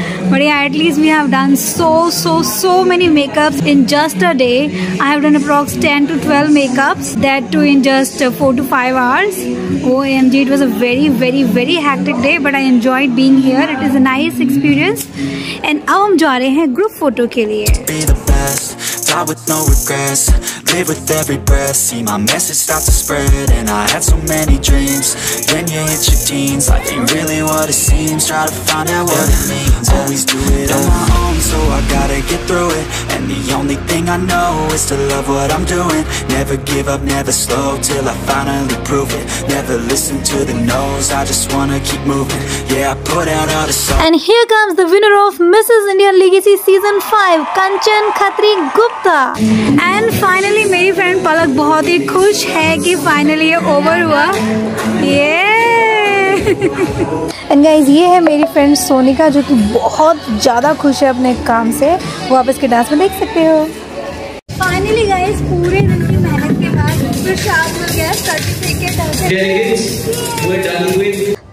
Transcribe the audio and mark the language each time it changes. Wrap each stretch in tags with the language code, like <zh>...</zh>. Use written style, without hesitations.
<en>But at least we have done so many makeups in just a day. I have done approx 10-12 makeups, that too in just 4-5 hours. OMG, it was a very very very hectic day, but I enjoyed being here. It is a nice experience. And</en> <hi>अब हम जा रहे हैं group photo के लिए।</hi> <en>With no regrets, live with every breath. See my message start to spread, and I had so many dreams. When you hit your teens, life ain't really what it seems. Try to find out what it means. Always do it on my own, so I gotta get through it. And the only thing I know is to love what I'm doing. Never give up, never slow, till I finally prove it. Never listen to the no's, I just wanna keep moving. Yeah, I put out all the songs. And here comes the winner of Mrs. India Legacy Season 5, Kanchan Khatri Gupta.</en> <hi>And finally मेरी friend पलक बहुत ही खुश है कि finally ये over हुआ। ये and guys, ये है मेरी फ्रेंड सोनिका, जो कि बहुत ज़्यादा खुश है अपने काम से। वो आप इसके डांस में देख सकते हो। फाइनली गाइस, पूरे दिन की मेहनत के बाद सर्टिफिकेट।</hi>